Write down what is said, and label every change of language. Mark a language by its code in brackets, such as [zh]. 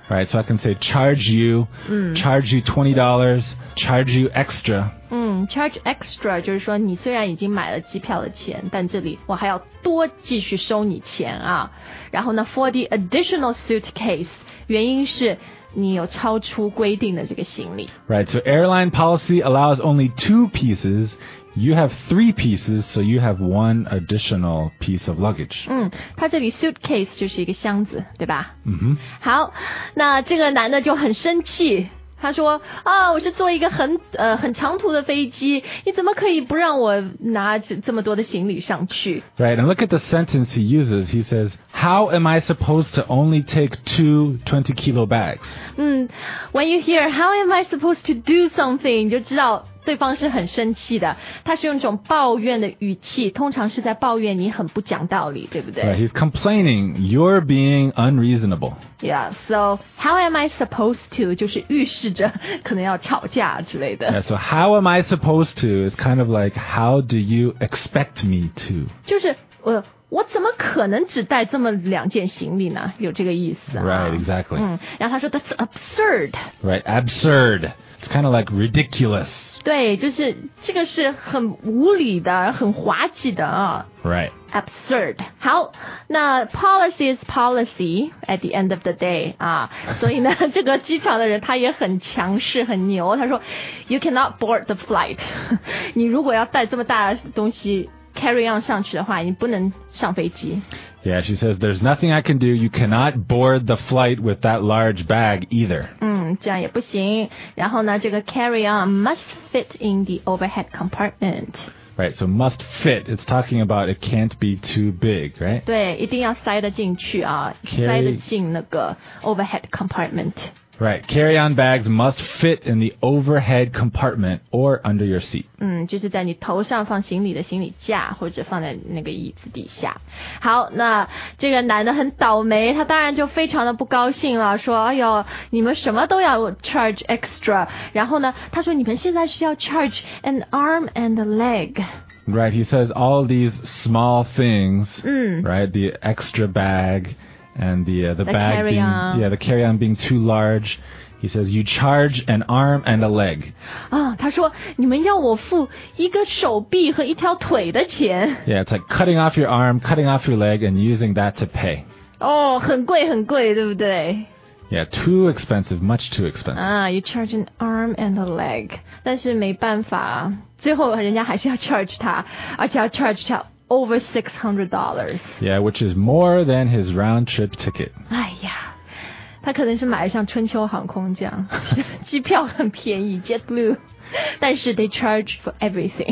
[en] Right, so I can say charge you, charge you $20, charge you extra. [zh] charge extra 就是说你虽然已经买了机票的钱，但这里我还要多继续收你钱啊。然后呢 [en] for the additional suitcase， [zh] 原因是你有超出规定的这个行李。 [en] Right, so airline policy allows only two pieces. You have three pieces, so you have one additional piece of luggage. [zh] 嗯，它这里 suitcase 就是一个箱子，对吧？嗯哼。好，那这个男的就很生气，他说啊，我是坐一个很长途的飞机，你怎么可以不让我拿这么多的行李上去？ [en] Right, and look at the sentence he uses. He says, how am I supposed to only take two 20 kilo bags? When you hear, how am I supposed to do something, [zh] 就知道对方是很生气的，他是用一种抱怨的语气，通常是在抱怨你很不讲道理，对不对？ [en] Right, he's complaining, you're being unreasonable. Yeah, so how am I supposed to [zh] 就是预示着可能要吵架之类的。 [en] Yeah, so how am I supposed to is kind of like, how do you expect me to? [zh] 就是我怎么可能只带这么两件行李呢？有这个意思、啊、 [en] Right, exactly. [zh] 嗯，然后他说 [en] that's absurd. Right, absurd. It's kind of like ridiculous. [zh] 对，就是这个是很无理的，很滑稽的啊。 [en] Right. Absurd. [zh] 好，那 [en] policy is policy at the end of the day 啊。 [zh] 所以呢，这个机场的人他也很强势，很牛。他说 [en] ，You cannot board the flight. [zh] 你如果要带这么大的东西 carry on 上去的话，你不能上飞机。 [en] Yeah, she says there's nothing I can do. You cannot board the flight with that large bag either. [zh] 嗯，这样也不行。然后呢，这个 [en] carry on must fit in the overhead compartment. Right, so must fit. It's talking about it can't be too big, right? [zh] 对，一定要塞得进去啊， [en] carry, [zh] 塞得进那个 overhead compartment. [en] Right, carry on bags must fit in the overhead compartment or under your seat. [zh] 嗯，就是在你头上放行李的行李架，或者放在那个椅子底下。好，那这个男的很倒霉，他当然就非常的不高兴了，说哎呦，你们什么都要 charge extra. 然后呢，他说你们现在是要 [en] charge an arm and a leg. Right, he says all these small things, right, the extra bag,And the bag being, yeah, the carry-on being too large. He says, you charge an arm and a leg. [zh] 啊，他说，你们要我付一个手臂和一条腿的钱。 [en] Yeah, it's like cutting off your arm, cutting off your leg, and using that to pay. [zh] 哦，很贵很贵，对不对？ [en] Yeah, too expensive, much too expensive. 啊，you charge an arm and a leg. [zh] 但是没办法，最后人家还是要 charge 他，而且要 charge 他。 [en] Over $600. Yeah, which is more than his round trip ticket. [zh] 哎呀，他可能是买了像春秋航空这样，机票很便宜 ，JetBlue， 但是 [en] they charge for everything.